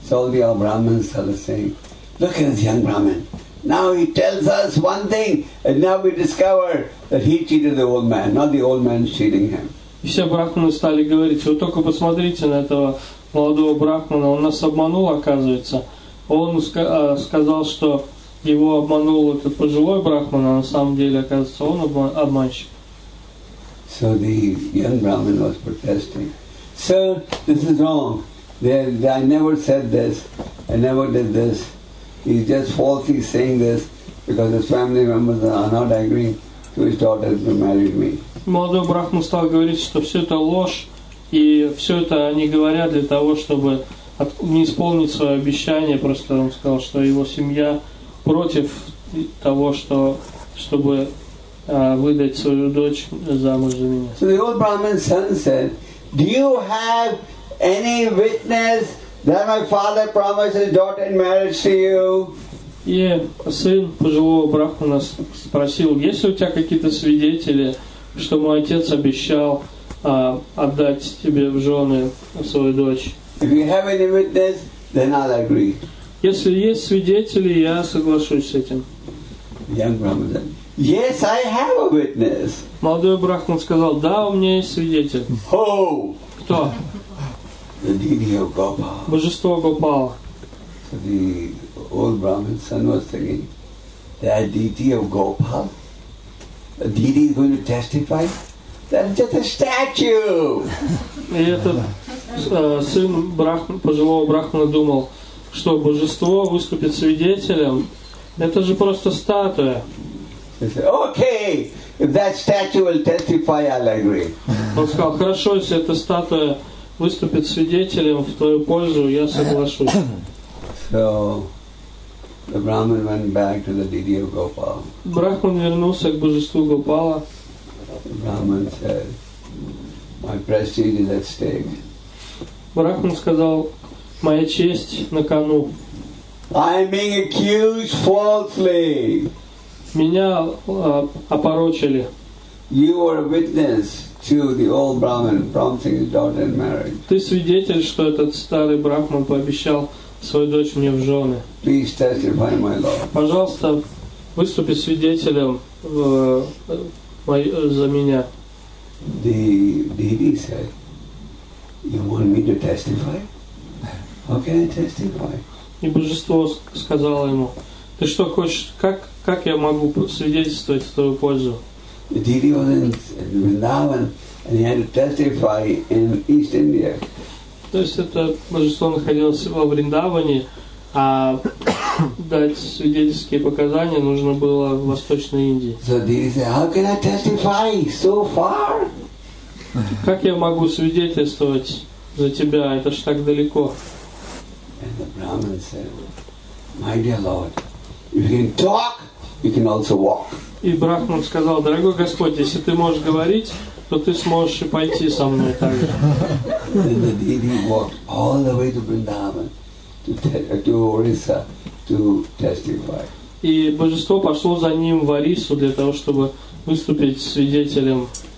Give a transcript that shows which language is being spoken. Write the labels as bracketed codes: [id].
[en] So the old Brahmins started saying, "Look at this young Brahmin. Now he tells us one thing, and now we discover that he cheated the old man, not the old man cheating him." [ru] И все брахманы стали говорить: "Вы только посмотрите на этого молодого брахмана, он нас обманул, оказывается. Он сказал, что его обманул этот пожилой брахман, а на самом деле, оказывается, он обманщик." [en] So the young Brahmin was protesting. "Sir, this is wrong. I never said this. I never did this. He's just falsely saying this because his family members are not agreeing to his daughter to marry me." [ru] Молодой брахман стал говорить, что все это ложь, и все это они говорят для того, чтобы не исполнить свое обещание. Просто он сказал, что его семья против того, чтобы выдать свою дочь замуж за меня. [en] So the old Brahmin's son said, "Do you have any witness that my father promised his daughter in marriage to you?" [ru] И сын пожилого брахмана спросил: "Есть ли у тебя какие-то свидетели, что мой отец обещал отдать тебе в жены свою дочь?" [en] "If you have any witness, then I'll agree." [ru] "Если есть свидетели, я соглашусь с этим." [en] Young Brahmin said, "Yes, I have a witness." [ru] Молодой брахман сказал: "Да, у меня есть свидетель." [en] "Who?" [ru] "Кто?" [en] "The deity of Gopala." [ru] "Божество Гопала." [en] So the old Brahmin's son was thinking, "The deity of Gopala? A deity is going to testify? That's just a statue." [ru] И этот сын пожилого брахмана думал, что божество выступит свидетелем. Это же просто статуя. [en] "Okay, if that statue will testify, I'll agree." [ru] Он сказал: "Хорошо, если эта статуя выступит свидетелем в твою пользу, я соглашусь." [en] So the Brahmin went back to the deity of Gopala. [ru] Брахман вернулся к божеству Гопала. [en] The Brahmin said, "My prestige is at stake." [ru] Брахман сказал: "Моя честь на кону." [en] "I'm being accused falsely." [ru] Меня опорочили. [en] "You are a witness to the old Brahmin promising his daughter in marriage." [ru] Ты свидетель, что этот старый брахман пообещал свою дочь мне в жены. [en] "Please testify, my lord." [ru] Пожалуйста, выступи свидетелем за меня. [en] The deity said, "You want me to testify? testify? [ru] И божество сказало ему: ты что хочешь, как я могу свидетельствовать в твою пользу? То есть это божество находилось во Вриндаване, а дать свидетельские показания нужно было в Восточной Индии. So Didi said, how can I testify so far? Как я могу свидетельствовать за тебя? Это ж так далеко. [en] And the Brahman said, my dear Lord, if you can talk, you can also walk. [ru] И Брахман сказал: дорогой Господь, если ты можешь говорить, то ты сможешь и пойти со мной также. [en] And the Didi walked all the way to Vrindavan to Orissa to testify. [ru] И божество пошло за ним в Орису для того, чтобы выступить свидетелем.